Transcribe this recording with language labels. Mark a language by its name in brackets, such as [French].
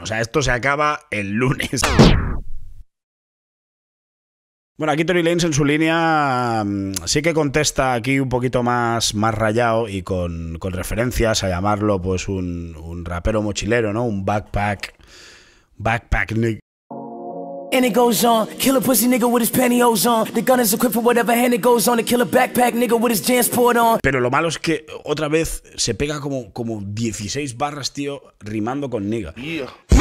[Spanish] O sea, esto se acaba el lunes. Bueno, aquí Tory Lanez en su línea sí que contesta aquí un poquito más rayado y con referencias a llamarlo pues un rapero mochilero, ¿no? Un [English] backpack nick. And it goes on, kill a pussy nigga with his pantyhose on. The gun is equipped for whatever hand it goes on. The killer backpack nigga with his jeans poured on. [Spanish] Pero lo malo es que otra vez se pega como 16 barras, tío, rimando con nigga. Yeah.